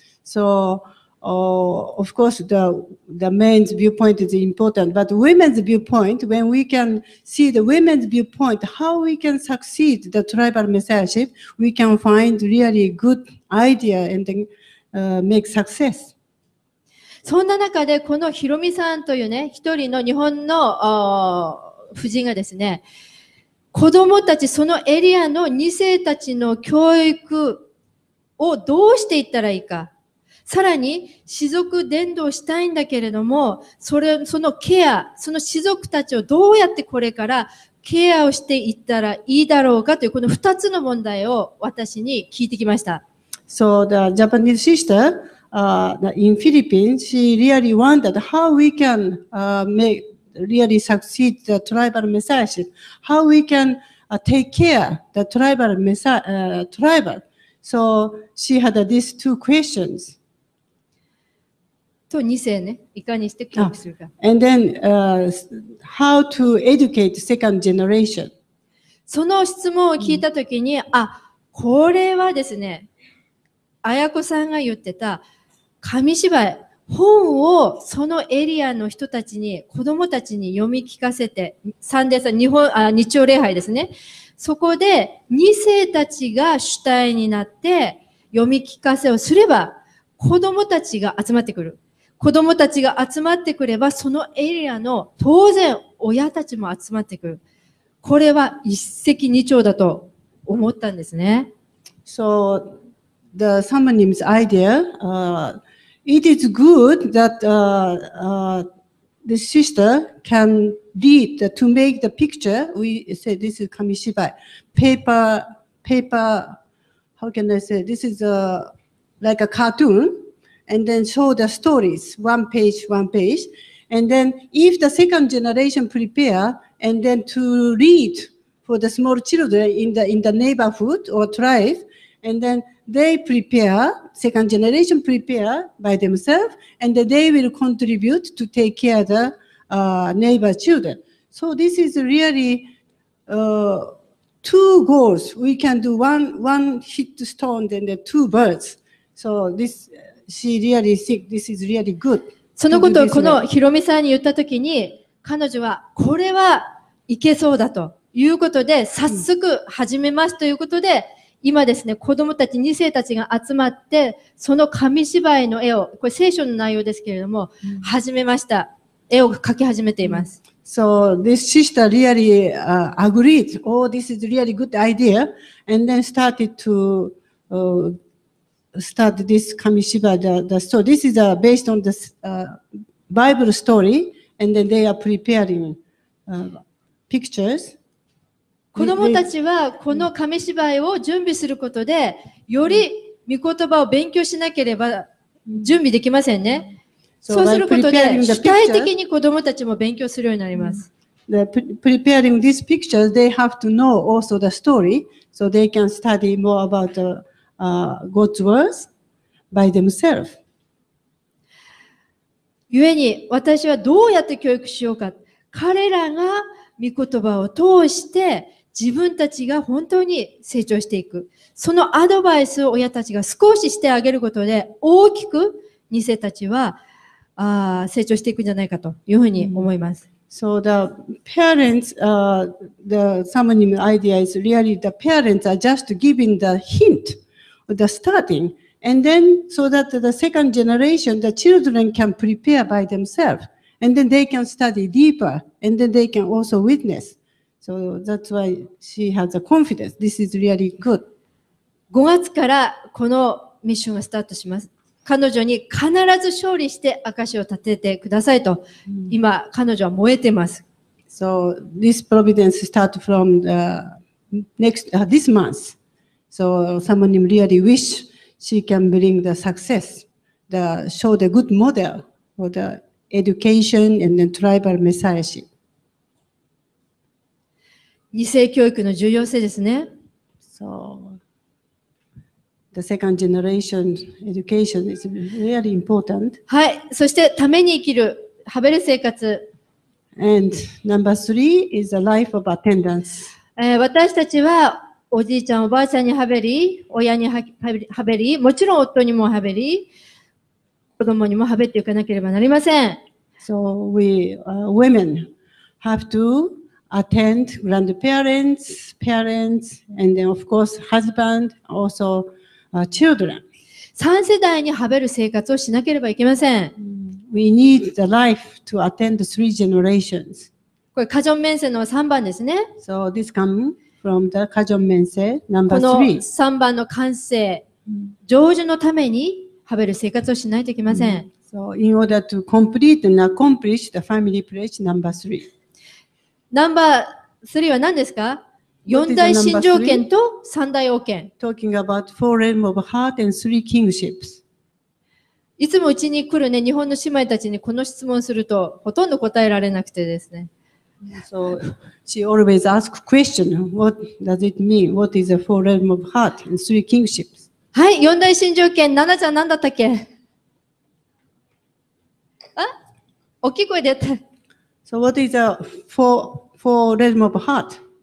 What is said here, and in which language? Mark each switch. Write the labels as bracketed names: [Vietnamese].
[English] So, of course, the men's viewpoint is important, but women's viewpoint, when we can see the women's viewpoint, how we can succeed the tribal messiahship, we can find really good idea and then, make success. [Japanese] そんな中で、このひろみさんというね、一人の日本の夫人がですね、子供たち、そのエリアの2世たちの教育をどうしていったらいいか。さらに、士族伝道したいんだけれども、そのケア、その士族たちをどうやってこれからケアをしていったらいいだろうかという、この2つの問題を私に聞いてきました。 [English] So, the Japanese sister,in Philippines, she really wondered how we can make really succeed the tribal messiahship, how we can take care the tribal tribal. So she had these two questions. [Japanese] と2世ね、いかにして教育するか。 [English] And then how to educate second generation. [Japanese] その質問を聞いたときに、あ、これはですね、綾子さんが言ってた紙芝居、本をそのエリアの人たちに、子供たちに読み聞かせて、サンデーさん、日曜礼拝ですね。そこで、2世たちが主体になって、読み聞かせをすれば、子供たちが集まってくる。子供たちが集まってくれば、そのエリアの、当然、親たちも集まってくる。これは一石二鳥だと思ったんですね。 [English] So... The someone's idea. It is good that the sister can read the, to make the picture. We say this is kamishibai, paper. How can I say? This is like a cartoon, and then show the stories one page. And then if the second generation prepare and then to read for the small children in the neighborhood or tribe, and then. They prepare, second generation prepare by themselves, and they will contribute to take care of the neighbor children. So this is really two goals. We can do one hit stone and then two birds. So this, she really think this is really good. [Japanese] そのことをこのひろみさんに言ったときに、彼女はこれはいけそうだということで、早速始めますということで、今ですね、子供たち、2世たちが集まって、その紙芝居の絵を、これ聖書の内容ですけれども、始めました。絵を描き始めています。 [English] So this sister really agreed. Oh, this is really good idea. And then started to start this Kamishiba. The story. This is based on the Bible story. And then they are preparing pictures. [Japanese] 子どもたちはこの紙芝居を準備することで、より御言葉を勉強しなければ準備できませんね。そうすることで主体的に子どもたちも勉強するようになります。 [English] The preparing these pictures, they have to know also the story, so they can study more about the, God's words by themselves. [Japanese] ゆえに私はどうやって教育しようか。彼らが御言葉を通して自分たちが本当に成長していく。そのアドバイスを親たちが少ししてあげることで大きく2世たちは成長していくんじゃないかというふうに思います。 Mm-hmm. [English] So the parents, the summoning idea is really the parents are just giving the hint, the starting, and then so that the second generation, the children can prepare by themselves, and then they can study deeper, and then they can also witness. So that's why she has the confidence. This is really good. [Japanese] 5月からこのミッションがスタートします。彼女に必ず勝利して証を立ててくださいと、mm. 今彼女は燃えてます。 [English] So this providence starts from the next, this month. So someone really wish she can bring the success, the show the good model for the education and the tribal messiahship. [Japanese] 二世教育の重要性ですね。 [English] So, the second generation education is really important. [Japanese] はい、そしてために生きる、ハベル生活。 [English] And number three is the life of attendance. [Japanese] 私たちはおじいちゃん、おばあちゃんにハベリ、親にハベリ、もちろん夫にもハベリ、子供にもハベっていかなければなりません。 [English] So, we, women have toattend grandparents, parents, and then of course husband, also children. [Japanese] 三世代にハベル生活をしなければいけません。 [English] We need the life to attend three generations. [Japanese] これカジョンメンセの3番ですね。 [English] So this comes from the カジョンメンセ number three. [Japanese] この3番の完成、成就のためにハベル生活をしないといけません。 [English] So in order to complete and accomplish the family pledge number three. [Japanese] ナンバー3は何ですか？四大信条権と三大王権。 [English] Talking about four realm of heart and three kingships. [Japanese] いつもうちに来るね、日本の姉妹たちにこの質問するとほとんど答えられなくてですね。 [English] So she always asks question. What does it mean? What is the four realm of heart and three kingships? [Japanese] はい、四大信条権。ナナちゃん何だったっけ？あ、大きい声でやった。 [English] So what is the four realm of heart?